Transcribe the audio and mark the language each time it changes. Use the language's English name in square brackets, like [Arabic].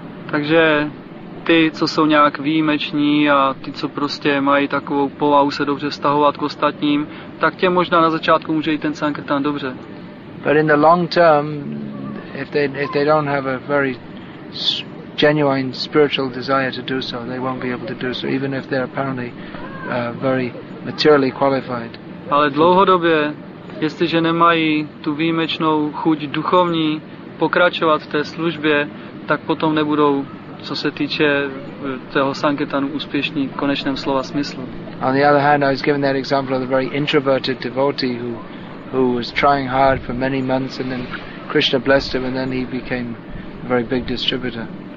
[Czech] Takže ty, co jsou nějak výjimeční a ty, co prostě mají takovou povahu se dobře vztahovat k ostatním, tak těm možná na začátku může jít ten sankirtan dobře. [English] But in the long term, if they don't have a very genuine spiritual desire to do so, they won't be able to do so, even if they're apparently very materially qualified. [Czech] Ale dlouhodobě, jestliže nemají tu výjimečnou chuť duchovní pokračovat v té službě, tak potom nebudou, co se týče toho sankirtanu, úspěšní v konečném slova smyslu. [English] On the other hand, I was given that example of a very introverted devotee who was trying hard for many months and then Krishna blessed him and then he became a very big distributor.